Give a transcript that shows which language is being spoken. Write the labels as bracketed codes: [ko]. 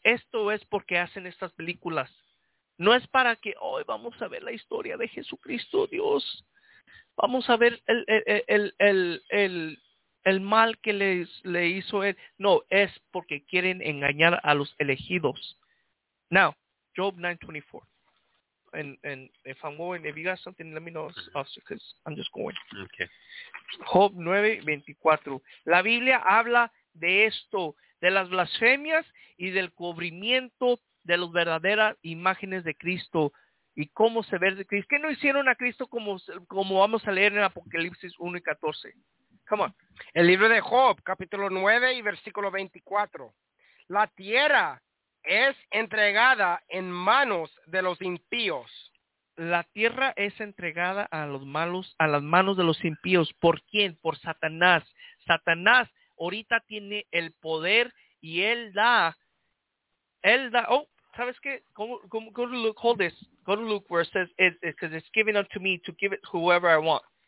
[es] Esto es porque hacen estas películas. No es para que hoy vamos a ver la historia de Jesucristo, Dios. Vamos a ver el mal que le hizo él. No, es porque quieren engañar a los elegidos. [en] Now, Job 9:24. And if I'm going, if you got something, let me know, because I'm just going. Okay. Job 9:24. [es] La Biblia habla de esto, de las blasfemias y del cubrimiento de las verdaderas imágenes de Cristo. ¿Y cómo se ve de Cristo? ¿Qué no hicieron a Cristo como vamos a leer en Apocalipsis 1:14? [en] Come on. [es] El libro de Job, capítulo 9 y versículo 24. La tierra es entregada en manos de los impíos. La tierra es entregada a los malos, a las manos de los impíos. ¿Por quién? Por Satanás. Satanás ahorita tiene el poder y él da, oh. ¿Sabes qué? [en] Go to Luke, hold this. Go to Luke where it says, because it's given unto me to give it whoever I want.